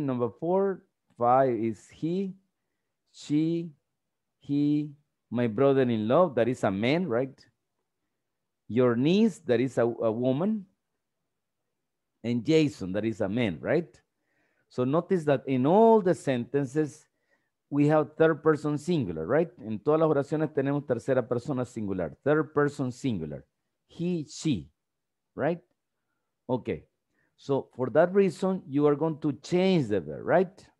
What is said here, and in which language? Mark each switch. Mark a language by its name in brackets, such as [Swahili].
[English] Number four, five is he, she, he, my brother-in-law, that is a man, right? Your niece, that is a woman. And Jason, that is a man, right? So notice that in all the sentences, we have third person singular, right? [Spanish] En todas las oraciones tenemos tercera persona singular. [English] Third person singular. He, she, right? Okay. So for that reason, you are going to change the verb, right?